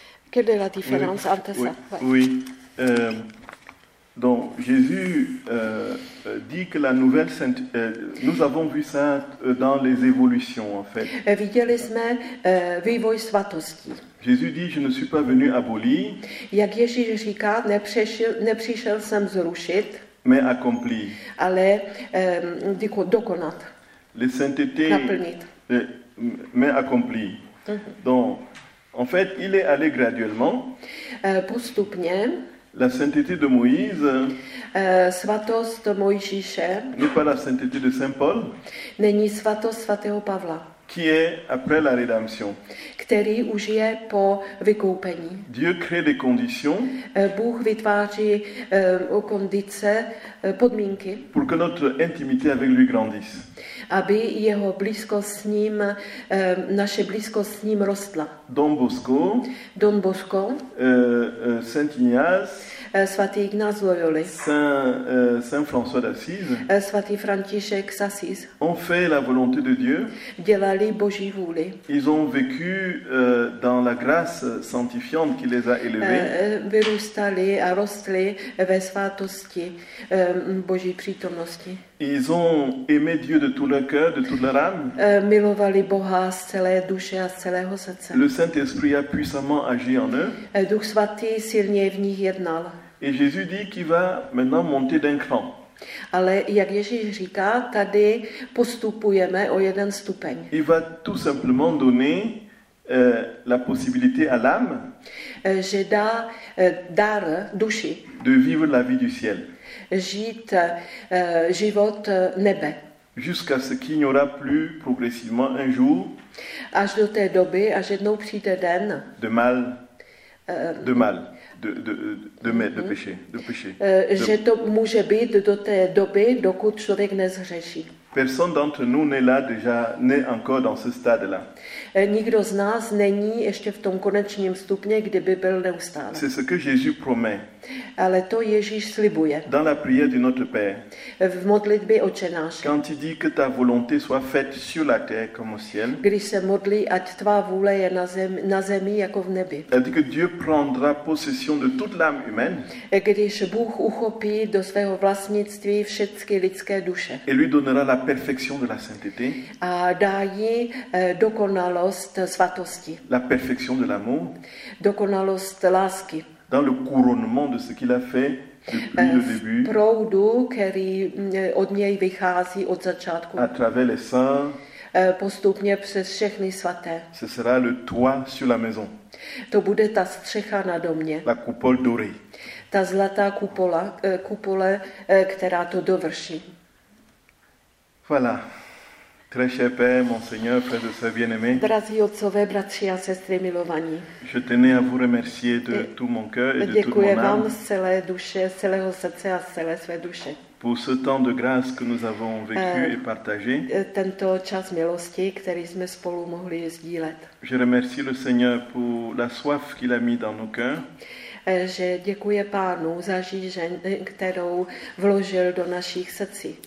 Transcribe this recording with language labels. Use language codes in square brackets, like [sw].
[fr] Quelle est la différence entre oui, ça? Oui. Oui. Donc Jésus dit que la nouvelle sainte, nous avons vu ça dans les évolutions en fait. [cs] Viděli jsme vývoj svatosti. [fr] Jésus dit je ne suis pas venu abolir. [cs] Jak Ježíš říká, nepřišel jsem zrušit. [fr] Mais accomplir. [cs] Ale dokonat. [fr] Les saintetés. [cs] Naplnit. [fr] Mais accomplir. Donc en fait il est allé graduellement. [cs] Postupně. [fr] La sainteté de Moïse [cs] svatost Mojžíše [fr] n'est pas la sainteté de Saint Paul, [cs] není svatost svatého Pavla, [fr] qui est après la rédemption, [cs] který už je po vykoupení. [fr] Dieu crée les conditions, [cs] Bůh vytváří kondice, podmínky, [fr] pour que notre intimité avec lui grandisse, [cs] aby jeho blízkost s ním, naše blízkost s ním rostla. [fr] Don Bosco, Saint Ignace, [cs] svatý Ignác Loyoli, [fr] Saint François d'Assise, [cs] svatý František z Assis, [fr] ont fait la volonté de Dieu, [cs] dělali Boží vůli. [fr] Ils ont vécu dans la grâce sanctifiante qui les a élevés. [cs] Vyrůstali a rostli ve svatosti Boží přítomnosti. [fr] Ils ont aimé Dieu de tout leur cœur, de toute leur âme. [cs] Milovali Boha z celé duše a z celého srdce. [fr] Le Saint-Esprit a puissamment agi en eux. [cs] Duch svatý silně v nich jednal. [fr] Et Jésus dit qu'il va maintenant monter d'un cran. [cs] Ale jak Ježíš říká, tady postupujeme o jeden stupeň. [fr] Il va tout simplement donner la possibilité à l'âme. [cs] Že dá dar duši. [fr] De vivre la vie du ciel. [cs] Žít život nebe. [fr] Jusqu'à ce qu'il n'y aura plus progressivement un jour. [cs] Až do té doby, až jednou přijde den. [fr] De péché. [cs] Že to může být do té doby, dokud člověk nezhřeší. [fr] Personne d'entre nous n'est là déjà, n'est encore dans ce stade-là. [cs] Nikdo z nás není ještě v tom konečním stupni, kdyby byl neustále. [fr] C'est ce que Jésus promet. [cs] Ale to Ježíš slibuje. [fr] Dans la prière du Notre Père. [cs] V modlitbě Otče náš. [fr] Quand il dit que ta volonté soit faite sur la terre comme au ciel. [cs] Když se modlí, ať tvá vůle je na zemi jako v nebi. [fr] Il dit que Dieu prendra possession de toute l'âme humaine. [cs] Když Bůh uchopí do svého vlastnictví všechny lidské duše. [fr] Et lui donnera la perfection de la sainteté. [cs] A dá jí dokonalost svatosti. [fr] La perfection de l'amour. [cs] Dokonalost lásky. [fr] Dans le couronnement de ce qu'il a fait depuis le début. [cs] Proudu, který od něj vychází od začátku. [fr] À travers les saints. [cs] Postupně přes všechny svaté. [fr] Ce sera le toit sur la maison. [cs] To bude ta střecha na domě. [fr] La coupole dorée. [cs] Ta zlatá kupole, která to dovrší. [fr] Voilà. Très cher Père, Monseigneur, frères et sœurs bien-aimés. [cs] Drazí otcové, bratři a sestry milovaní. [fr] Je tenais à vous remercier de tout mon cœur et de toute mon âme. [cs] Děkuji vám z celé duše, z celého srdce a z celé své duše. [fr] Pour ce temps de grâce que nous avons vécu et partagé. [cs] Tento čas milosti, který jsme spolu mohli sdílet. [fr] Je remercie le Seigneur pour la soif qu'il a mis dans nos cœurs. [cs] Že děkuje Pánu za žízeň, kterou vložil do našich srdcí.